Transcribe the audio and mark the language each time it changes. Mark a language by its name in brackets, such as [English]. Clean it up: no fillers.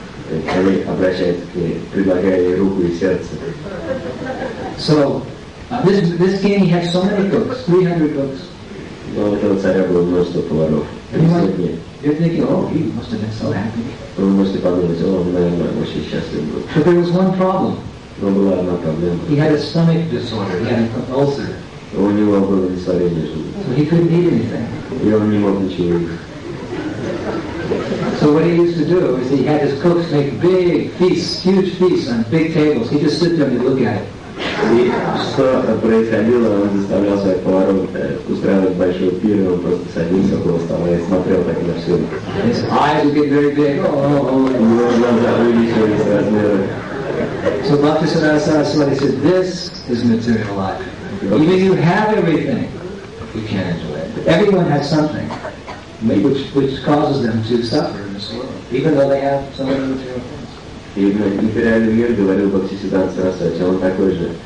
[Russian] они обращают к ней, предлагая ей руку и сердце. [English] So, this king, he had so many cooks, 300 cooks. [Russian] Но у этого царя было множество поваров. [English] You're thinking, oh, he must have been so happy. [Russian] Вы можете подумать, он, наверное, очень счастлив был. [English] But there was one problem. [Russian] Но была одна проблема. [English] He had a stomach disorder, he had an ulcer. [Russian] У него было несварение желудка. [English] So he couldn't eat anything. [Russian] И он не мог ничего есть. [English] So what he used to do is he had his cooks make big feasts, huge feasts on big tables. He'd just sit there and look at it. [Russian] И что происходило, он заставлял своих поваров устраивать большой пир, он просто садился около стола и смотрел так на все. [English] His eyes would get very big. [Russian] Его глаза увеличивались размеры. [English] So Bhakti Siddhanta Saraswati said, this is material life. Even you have everything, you can't enjoy it. Everyone has something which causes them to suffer in this world, even though they have so many material things. [Russian] И материальный мир, говорил Бхактисиддханта Сарасвати, он такой же.